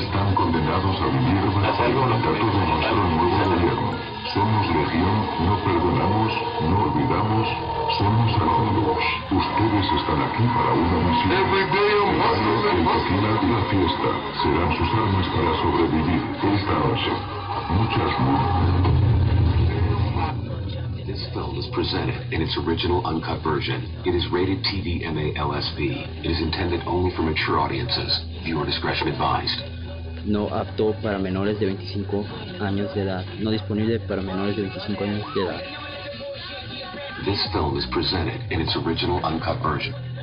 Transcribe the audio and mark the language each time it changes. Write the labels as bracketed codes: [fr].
[es] Están condenados a vivir bajo el mandato de nuestro nuevo gobierno. Somos legión, no perdonamos, no olvidamos, somos amigos. Ustedes están aquí para una misión. El baile, el tequila y la fiesta serán sus armas para sobrevivir esta noche. Muchas gracias. [en] This film is presented in its original uncut version. It is rated TV-MA-LSV. It is intended only for mature audiences. Viewer discretion advised. [es] No apto para menores de 25 años de edad. No disponible para menores de 25 años de edad. [en] This film is presented in its original uncut version.